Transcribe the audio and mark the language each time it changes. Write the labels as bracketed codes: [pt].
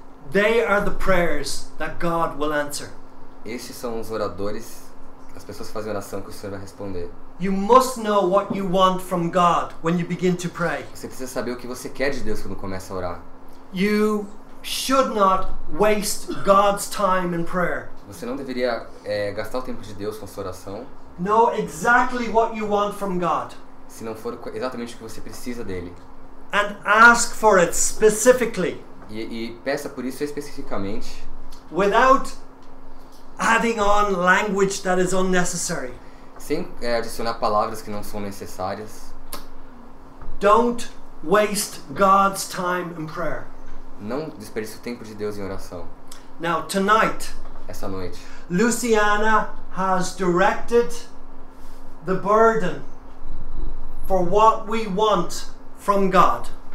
[en] They are the prayers that God will answer. [pt] Esses são os oradores, as pessoas que fazem oração que o Senhor vai responder. [en] You must know what you want from God when you begin to pray. [pt] Você precisa saber o que você quer de Deus quando começa a orar. [en] You should not waste God's time in prayer. [pt] Você não deveria gastar o tempo de Deus com sua oração. [en] Know exactly what you want from God. [pt] Se não for exatamente o que você precisa dele. [en] And ask for it specifically. [pt] E peça por isso especificamente. [en] Without adding on language that is unnecessary. [pt] Sem adicionar palavras que não são necessárias. [en] Don't waste God's time in prayer. [pt] Não desperdice o tempo de Deus em oração. [en] Now tonight. [pt] Essa noite. [en] Luciana has directed the burden for what we want from God.